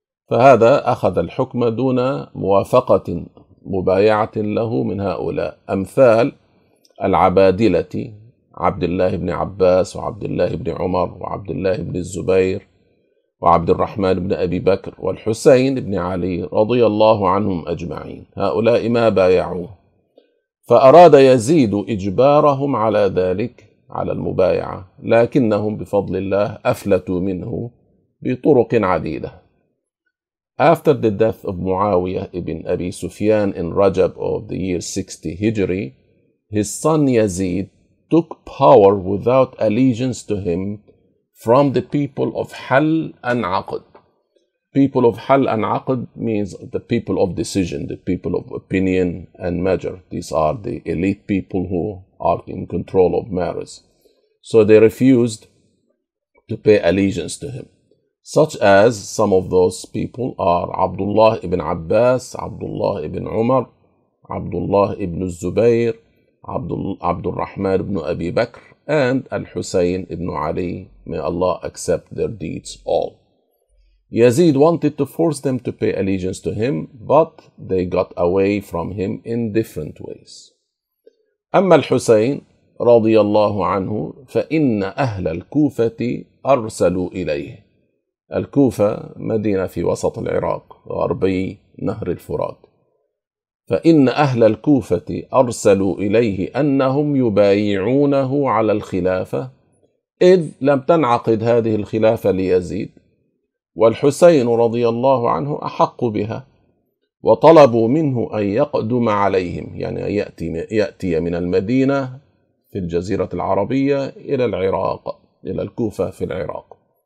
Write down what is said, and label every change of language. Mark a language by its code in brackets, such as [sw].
[ar] فهذا أخذ الحكم دون موافقة مبايعة له من هؤلاء، أمثال العبادلة عبد الله بن عباس وعبد الله بن عمر وعبد الله بن الزبير وعبد الرحمن بن أبي بكر والحسين بن علي رضي الله عنهم أجمعين، هؤلاء ما بايعوه. فأراد يزيد إجبارهم على ذلك، على المبايعة، لكنهم بفضل الله أفلتوا منه بطرق عديدة. [en] After the death of معاوية ابن أبي سفيان in Rajab of the year 60 Hijri, his son Yazid took power without allegiance to him from the people of Hal and Aqd. People of Hal and Aqd means the people of decision, the people of opinion and measure. These are the elite people who are in control of matters. So they refused to pay allegiance to him. Such as some of those people are Abdullah ibn Abbas, Abdullah ibn Umar, Abdullah ibn Zubayr, عبد الرحمن بن أبي بكر and الحسين بن علي. May Allah accept their deeds all. Yazid wanted to force them to pay allegiance to him, but they got away from him in different ways. [ar] أما الحسين رضي الله عنه فإن أهل الكوفة أرسلوا إليه. الكوفة مدينة في وسط العراق غربي نهر الفرات. فإن أهل الكوفة أرسلوا إليه أنهم يبايعونه على الخلافة، إذ لم تنعقد هذه الخلافة ليزيد، والحسين رضي الله عنه أحق بها، وطلبوا منه أن يقدم عليهم، يعني أن يأتي من المدينة في الجزيرة العربية إلى العراق، إلى الكوفة في العراق.